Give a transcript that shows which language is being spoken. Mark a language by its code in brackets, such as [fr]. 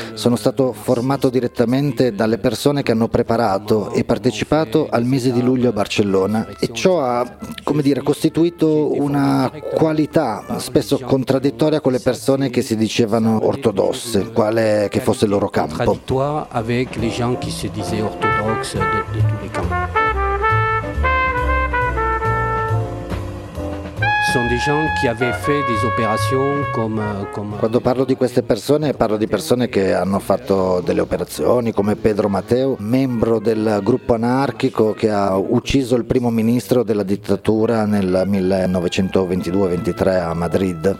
[it] Sono stato formato direttamente dalle persone che hanno preparato e partecipato al mese di luglio a Barcellona e ciò ha, come dire, costituito una qualità spesso contraddittoria con le persone che si dicevano ortodosse, quale che fosse il loro campo. [fr] Avec les gens qui se disaient orthodoxes de tous les camps. [it] Quando parlo di queste persone, parlo di persone che hanno fatto delle operazioni, come Pedro Mateu, membro del gruppo anarchico che ha ucciso il primo ministro della dittatura nel 1922-23 a Madrid.